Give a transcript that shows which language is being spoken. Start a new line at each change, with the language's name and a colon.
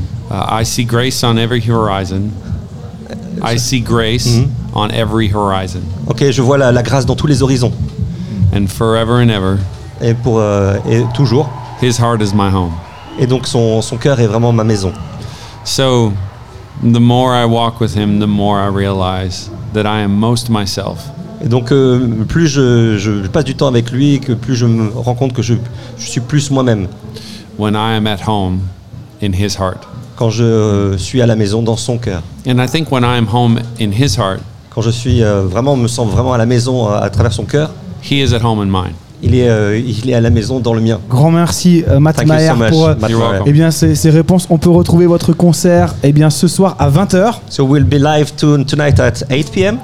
English: I see grace on every horizon. I see grace on every horizon.
French: OK, je vois la grâce dans tous les horizons.
English: And forever and ever.
French: Et pour et toujours.
English: His heart is my home.
French: Et donc son cœur est vraiment ma maison.
English: So the more I walk with him, the more I realize that I am most myself.
French: Et donc plus je passe du temps avec lui, que plus je me rends compte que je suis plus moi-même.
English: When I am at home in his heart.
French: Quand je suis à la maison dans son cœur.
English: And I think when I am home in his heart.
French: Quand je suis vraiment me sens vraiment à la maison à travers son cœur.
English: He is at home in mine.
French: Il est à la maison dans le mien. Grand merci Matt Maher pour et bien ces réponses. On peut retrouver votre concert et bien ce soir à 20h.
English: So we'll be live tonight at 8 p.m.